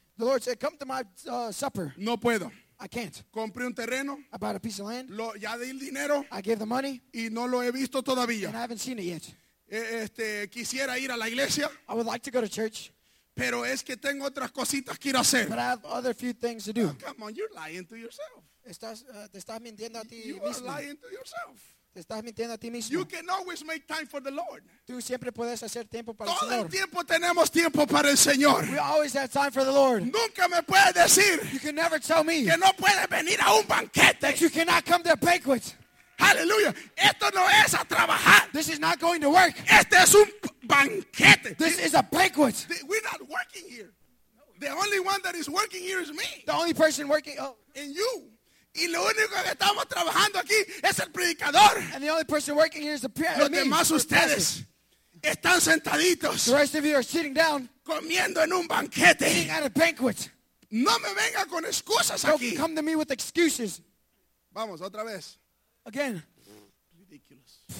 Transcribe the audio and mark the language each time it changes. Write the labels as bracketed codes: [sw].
[en] The Lord said, come to my supper. [es] No puedo. [en] I can't. [es] Compré un terreno. [en] I bought a piece of land. [es] Ya di el dinero. [en] I gave the money. [es] Y no lo he visto todavía. [en] And I haven't seen it yet. [es] Quisiera ir a la iglesia. [en] I would like to go to church. [es] Pero es que tengo otras cositas que ir a hacer. [en] But I have other few things to do. Oh, come on, you're lying to yourself. [es] Te estás mintiendo a ti [en] you [es] mismo. [en] You are lying to yourself. [es] Te estás mintiendo a ti mismo. [en] You can always make time for the Lord. [es] Tú siempre puedes hacer tiempo para el Todo Señor. Todo el tiempo tenemos tiempo para el Señor. [en] We always have time for the Lord. [es] Nunca me puedes decir. [en] You can never tell me. [es] Que no puedes venir a un banquete. [en] That you cannot come to a banquet. [es] Hallelujah. Esto no es a trabajar. [en] This is not going to work. [es] Este es un banquete. [en] This is a banquet. We're not working here. The only one that is working here is me. The only person working. Oh. And you. [es] Y lo único que estamos trabajando aquí es el predicador. [en] And the only person working here is the preacher. [es] Los demás ustedes están sentaditos. [en] The rest of you are sitting down. [es] Comiendo en un banquete. [en] Eating at a banquet. [es] No me venga con excusas aquí. [en] Don't come to me with excuses. [es] Vamos otra vez. [en] Again. Ridiculous.